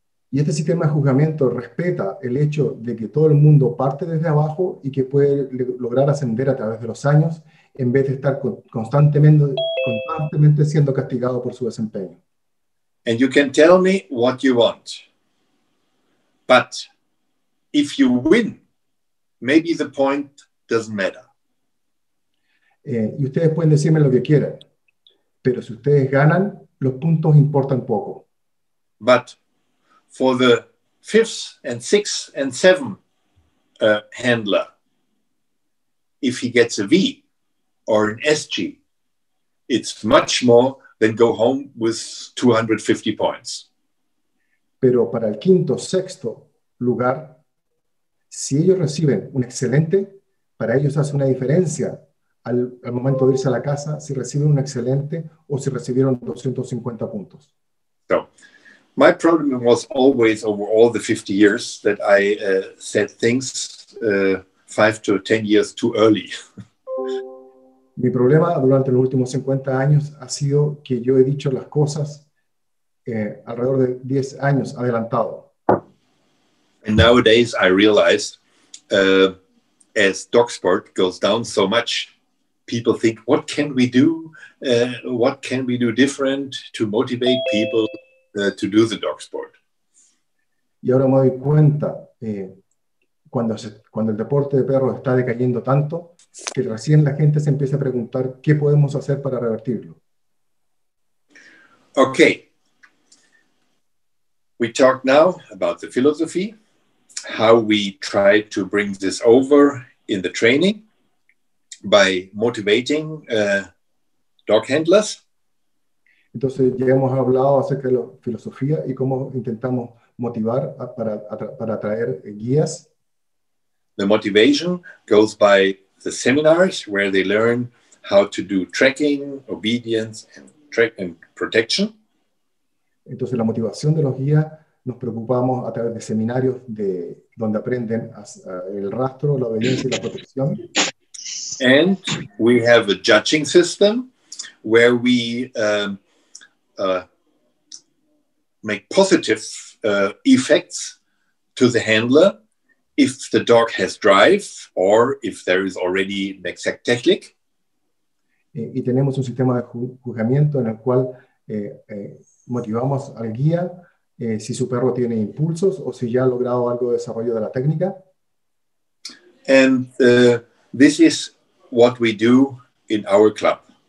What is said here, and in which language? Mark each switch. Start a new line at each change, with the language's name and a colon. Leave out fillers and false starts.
Spanish: Y este sistema de juzgamiento respeta el hecho de que todo el mundo parte desde abajo y que puede lograr ascender a través de los años en vez de estar constantemente siendo castigado por su desempeño.
English: And you can tell me what you want. But if you win, maybe the point doesn't matter.
Spanish: Y ustedes pueden decirme lo que quieran, pero si ustedes ganan, los puntos importan poco.
English: But for the fifth and sixth and seventh handler, if he gets a V or an SG, it's much more than go home with 250 points.
Spanish: Pero para el quinto, sexto lugar, si ellos reciben un excelente, para ellos hace una diferencia al momento de irse a la casa si reciben un excelente o si recibieron 250 puntos.
English: So, my problem was always over all the 50 years that I said things 5 to 10 years too early.
Spanish: Mi problema durante los últimos 50 años ha sido que yo he dicho las cosas alrededor de 10 años adelantado.
English: And nowadays I realize as dog sport goes down so much, people think, what can we do? What can we do different to motivate people to do the dog sport?
Spanish: Y ahora me doy cuenta cuando el deporte de perros está decayendo tanto que recién la gente se empieza a preguntar qué podemos hacer para revertirlo.
English: Okay. We talk now about the philosophy, how we try to bring this over in the training by motivating dog handlers.
Spanish: Entonces ya hemos hablado acerca de la filosofía y cómo intentamos motivar para atraer guías.
English: The motivation goes by the seminars where they learn how to do tracking, obedience, and track and protection.
Spanish: Entonces la motivación de los guías nos preocupamos a través de seminarios de donde aprenden el rastro, la obediencia y la protección.
English: And we have a judging system where we make positive effects to the handler if the dog has drive or if there is already an exact technique.
Spanish: Y tenemos un sistema de juzgamiento en el cual motivamos al guía si su perro tiene impulsos o si ya ha logrado algo de desarrollo de la técnica.
English: And this is what we do in our club.